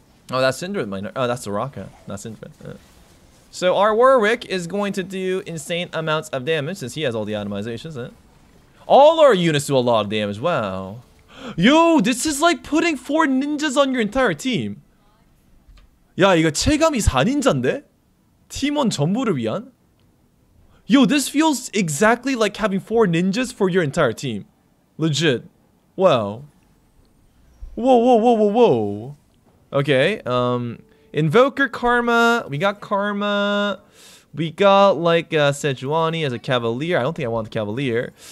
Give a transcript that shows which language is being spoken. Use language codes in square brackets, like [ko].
[en] Oh, that's Syndra minor. Oh, that's Soraka. Not Syndra. So our Warwick is going to do insane amounts of damage since he has all the itemizations. All our units do a lot of damage. Wow. Yo, this is like putting 4 ninjas on your entire team. [ko] 야, 이거 체감이 4인자인데? 팀원 전부를 위한? [en] Yo, this feels exactly like having 4 ninjas for your entire team. Legit. Wow. Whoa. Okay, Invoker Karma. We got Karma. We got Sejuani as a Cavalier. I don't think I want the Cavalier.